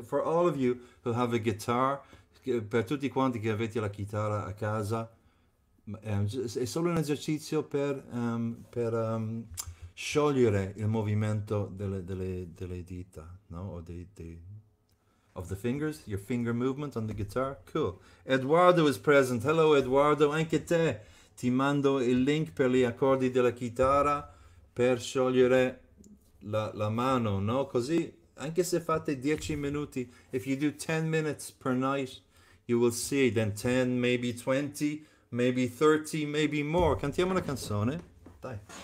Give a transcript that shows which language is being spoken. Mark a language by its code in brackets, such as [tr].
[en] For all of you who have a guitar, [it] per tutti quanti che avete la chitarra a casa, è solo un esercizio per sciogliere il movimento delle dita, no? [en] O of the fingers, your finger movement on the guitar. Cool. Eduardo is present. Hello, Eduardo. [it] Anche te. Ti mando il link per gli accordi della chitarra per sciogliere la mano, no? Così, anche se fate 10 minuti, [en] if you do 10 minutes per night, you will see then 10, maybe 20, maybe 30, maybe more. [it] Cantiamo una canzone. Dai.